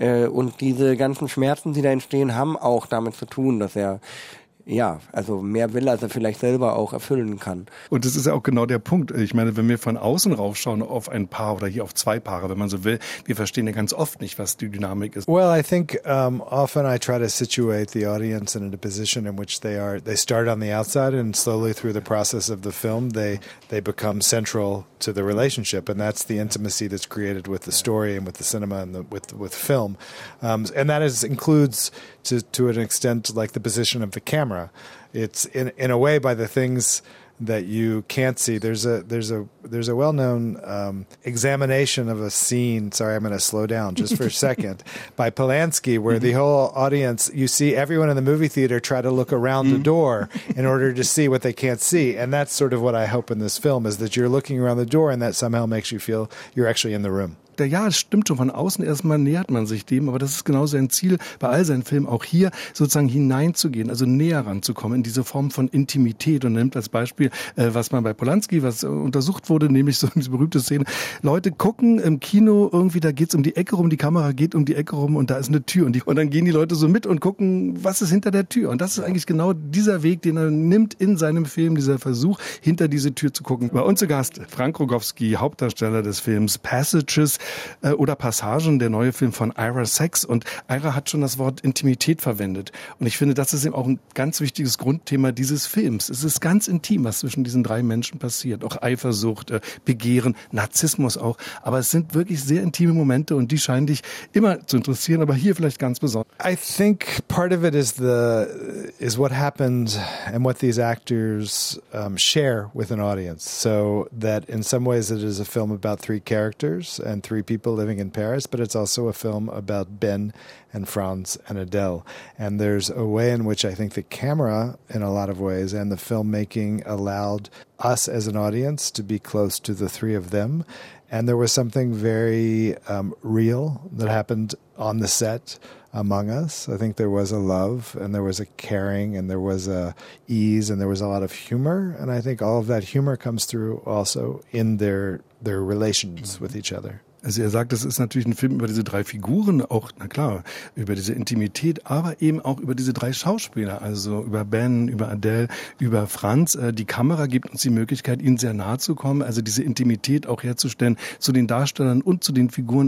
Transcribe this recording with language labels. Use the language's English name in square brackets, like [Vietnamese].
[German] Und diese ganzen Schmerzen, die da entstehen, haben auch damit zu tun, dass er ja, also mehr will, als er vielleicht selber auch erfüllen kann. Und das ist ja auch genau der Punkt. Ich meine, wenn wir von außen raufschauen auf ein Paar oder hier auf zwei Paare, wenn man so will, wir verstehen ja ganz oft nicht, was die Dynamik ist. [English] Well, I think often I try to situate the audience in a position in which they are, they start on the outside and slowly through the process of the film, they become central to the relationship. And that's the intimacy that's created with the story and with the cinema and with film. And that includes to an extent like the position of the camera. It's in a way by the things that you can't see. There's a well-known examination of a scene. Sorry, I'm going to slow down just for a second. By Polanski, where the whole audience, you see everyone in the movie theater try to look around the door in order to see what they can't see. And that's sort of what I hope in this film, is that you're looking around the door and that somehow makes you feel you're actually in the room. [German] Ja, es stimmt schon, von außen erstmal nähert man sich dem, aber das ist genau sein Ziel bei all seinen Filmen, auch hier sozusagen hineinzugehen, also näher ranzukommen in diese Form von Intimität. Und er nimmt als Beispiel, was man bei Polanski, was untersucht wurde, nämlich so diese berühmte Szene. Leute gucken im Kino irgendwie, da geht's um die Ecke rum, die Kamera geht um die Ecke rum und da ist eine Tür. Und dann gehen die Leute so mit und gucken, was ist hinter der Tür. Und das ist eigentlich genau dieser Weg, den er nimmt in seinem Film, dieser Versuch, hinter diese Tür zu gucken. Bei uns zu Gast Frank Rogowski, Hauptdarsteller des Films Passages. oder Passagen, der neue Film von Ira Sex. Und Ira hat schon das Wort Intimität verwendet. Und ich finde, das ist eben auch ein ganz wichtiges Grundthema dieses Films. Es ist ganz intim, was zwischen diesen drei Menschen passiert. Auch Eifersucht, Begehren, Narzissmus auch. Aber es sind wirklich sehr intime Momente und die scheinen dich immer zu interessieren, aber hier vielleicht ganz besonders. [English] I think part of it is what happens and what these actors share with an audience. So that in some ways it is a film about three characters and three people living in Paris, but it's also a film about Ben and Franz and Adele. And there's a way in which I think the camera, in a lot of ways, and the filmmaking allowed us as an audience to be close to the three of them. And there was something very real that happened on the set among us. I think there was a love and there was a caring and there was a ease and there was a lot of humor. And I think all of that humor comes through also in their relations with each other. [German] Also er sagt, das ist natürlich ein Film über diese drei Figuren, auch, na klar, über diese Intimität, aber eben auch über diese drei Schauspieler, also über Ben, über Adele, über Franz. Die Kamera gibt uns die Möglichkeit, ihnen sehr nahe zu kommen, also diese Intimität auch herzustellen zu den Darstellern und zu den Figuren.